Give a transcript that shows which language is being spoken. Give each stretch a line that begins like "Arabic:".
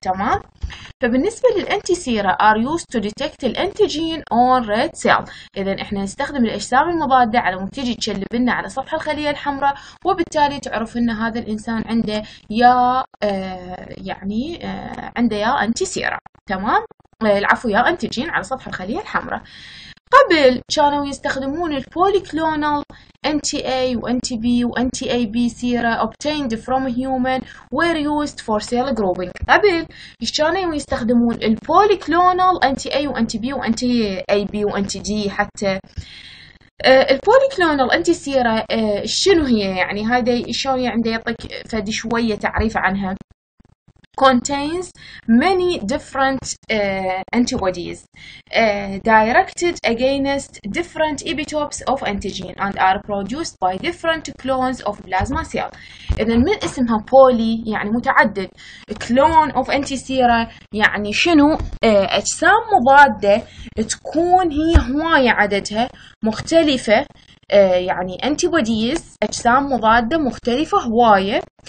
Arabic: تمام، فبالنسبه للانتي سيره ار يوز تو ديتكت الانتيجين اون ريد سيل، اذا احنا نستخدم الاجسام المضاده على منتج تشلب لنا على سطح الخليه الحمراء، وبالتالي تعرف ان هذا الانسان عنده يا يعني عنده يا انتي سيره. تمام، العفو، يا انتيجين على سطح الخليه الحمراء. قبل كانوا يستخدمون البوليكلونال
English: NTA وNTB وNTAB sera obtained from human were used for cell grouping.
Arabic: قبل كانوا يستخدمون البوليكلونال NTA وNTB وNTAB وNTD حتى. البوليكلونال أنتي سيرة شنو هي؟ يعني هذا شلون يعني يعطيك فد شوية تعريف عنها؟
English: contains many different antibodies directed against different epitopes of antigen and are produced by different clones of plasma cell.
Arabic: إذا من اسمها poly يعني متعدد، clone of antisera يعني شنو؟ أجسام مضادة تكون هي هواية عددها مختلفة، يعني antibodies أجسام مضادة مختلفة هواية.